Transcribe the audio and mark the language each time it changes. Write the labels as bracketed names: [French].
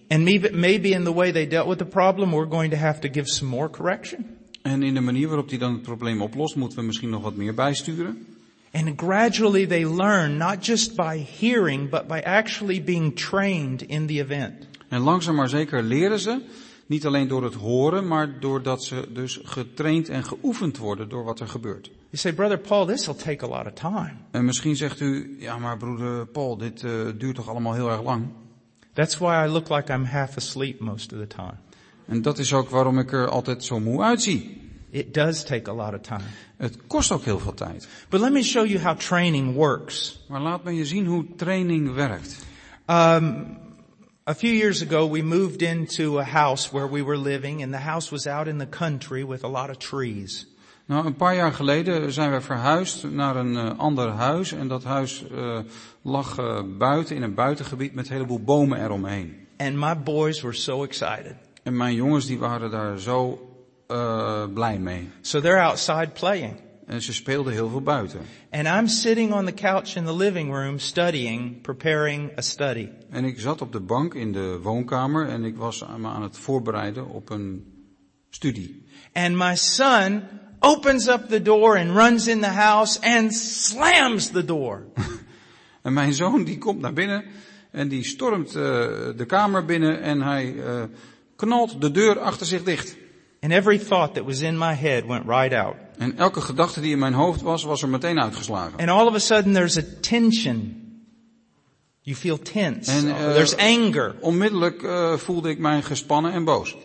[English] And maybe in the way they dealt with the problem we're going to have to give some more correction. [Dutch] En in de manier waarop hij dan het probleem oplost moeten we misschien nog wat meer bijsturen. [English] And gradually they learn not just by hearing but by actually being trained in the event. [Dutch] En langzaam maar zeker leren ze niet alleen door het horen maar doordat ze dus getraind en geoefend worden door wat er gebeurt. [English] You say, brother Paul, this will take a lot of time. [Dutch] En misschien zegt u ja maar broeder Paul dit duurt toch allemaal heel erg lang. [English] That's why I look like I'm half asleep most of the time. [Dutch] En dat is ook waarom ik er altijd zo moe uitzie. [English] It does take a lot of time. [Dutch] Het kost ook heel veel tijd. [English] But let me show you how training works. [Dutch] Maar laat me je zien hoe training werkt. [English] A few years ago we moved into a house where we were living and the house was out in the country with a lot of trees. [Dutch] Nou, een paar jaar geleden zijn we verhuisd naar een ander huis. En dat huis lag buiten, in een buitengebied met een heleboel bomen eromheen. [English] And my boys were so excited. [Dutch] En mijn jongens die waren daar zo blij mee. [English] So they're outside playing. [Dutch] En ze speelden heel veel buiten. [English] And I'm sitting on the couch in the living room studying, preparing a study. [Dutch] En ik zat op de bank in de woonkamer en ik was me aan het voorbereiden op een studie. [English] And my son opens up the door and runs in the house and slams the door. [Dutch] En mijn zoon die komt naar binnen en die stormt de kamer binnen en hij knalt de deur achter zich dicht. [English] And every thought that was in my head went right out. [Dutch] En elke gedachte die in mijn hoofd was, was er meteen uitgeslagen. [English] And all of a sudden there's a tension. You feel tense. [Dutch] En, [English] there's anger. [Dutch] Onmiddellijk voelde ik mij gespannen en boos.